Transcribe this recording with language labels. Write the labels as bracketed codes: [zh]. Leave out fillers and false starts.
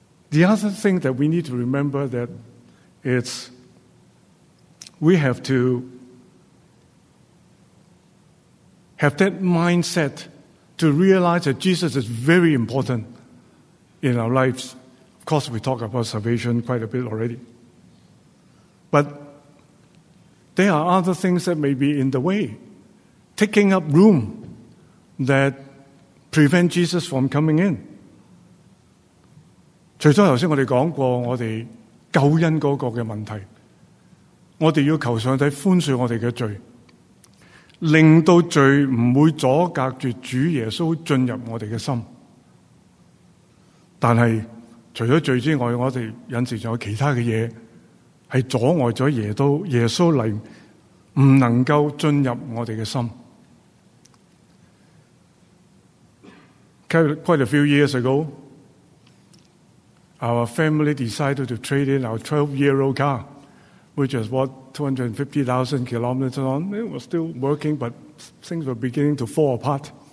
[en] The other thing that we need to remember that it's we have to have that mindset to realize that Jesus is very important in our lives. Of course, we talk about salvation quite a bit already. But there are other things that may be in the way, taking up room that prevent Jesus from coming in. [zh] 除了刚才我们讲过我们救恩那个的问题，我们要求上帝宽恕我们的罪，令到罪不会阻隔着主耶稣进入我们的心。但是除了罪之外，我们有时还有其他的东西是阻碍了耶稣来不能够进入我们的心。 [en] Quite a few years ago, our family decided to trade in our 12-year-old car, which is what, 250,000 kilometers on. It was still working, but things were beginning to fall apart.